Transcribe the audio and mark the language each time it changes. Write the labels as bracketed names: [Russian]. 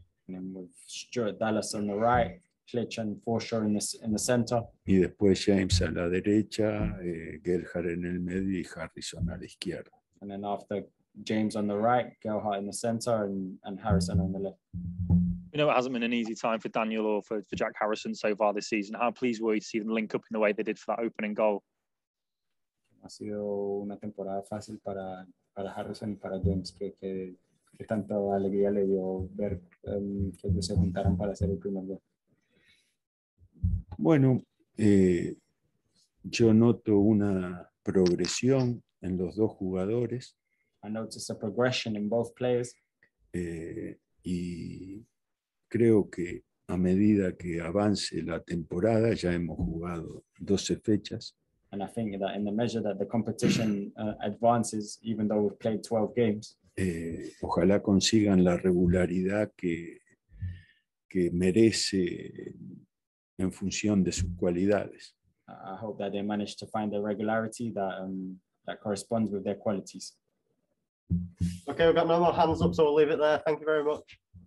[English] And then with Stuart Dallas on the right, Klitsch and Forshaw in the center. [Spanish] Y después James a la derecha, Gerhard en el medio y Harrison a la izquierda. [English] And then after James on the right, Gerhard in the center and Harrison on the left. You know, it hasn't been an easy time for Daniel or for Jack Harrison so far this season. How pleased were you to see them link up in the way they did for that opening goal? [Spanish] Ha sido una temporada fácil para Harrison y para James, que tanta alegría le dio ver que ellos se juntaron para hacer el primer gol. Bueno, yo noto una progresión en los dos jugadores. [English] I noticed a progression in both players. [Spanish] Y creo que a medida que avance la temporada, ya hemos jugado 12 fechas. [English] And I think that in the measure that the competition advances, even though we've played 12 games. [Spanish] Ojalá consigan la regularidad que merece en función de sus cualidades. [English] I hope that they manage to find the regularity that corresponds with their qualities. Okay, we've got no more hands up, so we'll leave it there. Thank you very much.